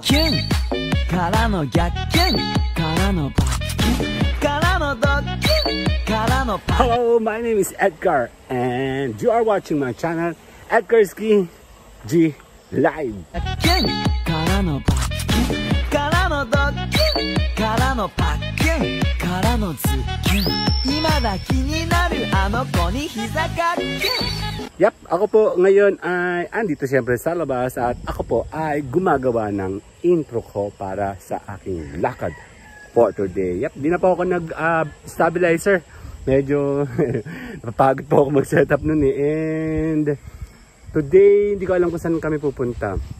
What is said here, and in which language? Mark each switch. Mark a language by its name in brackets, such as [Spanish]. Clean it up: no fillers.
[Japanese] キュンからの逆キュンからのバッキンからのドッキンからの [English] パッキン Hello, my name is Edgar and you are watching my channel Edgar's Ski G Live [Japanese] キュンからのバッキンからのドッキンからのパッキンからのズッキン今だ気になるあの子に膝がっキュン [Filipino] Yep, ako po ngayon ay andito siyempre sa labas at ako po ay gumagawa ng intro ko para sa aking lakad for today. Yep, di na po ako nag-stabilizer. Medyo napapagod po ako mag-setup nun eh. And today, hindi ko alam kung saan kami pupunta.